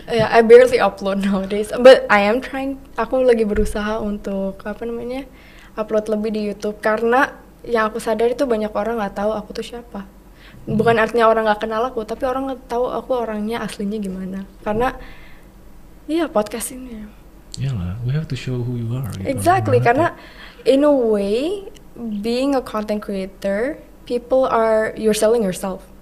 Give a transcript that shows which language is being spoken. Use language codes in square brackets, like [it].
[en] Yeah, I barely upload nowadays, but I am trying. [id] Aku lagi berusaha untuk apa namanya upload lebih di YouTube, karena yang aku sadar itu banyak orang nggak tahu aku tuh siapa. Bukan artinya orang nggak kenal aku, tapi orang nggak tahu aku orangnya aslinya gimana. Karena iya podcast ini. Iyalah, [en] we have to show who you are. Exactly, [id] karena [en] in a way. Being a content creator people are, you're selling yourself.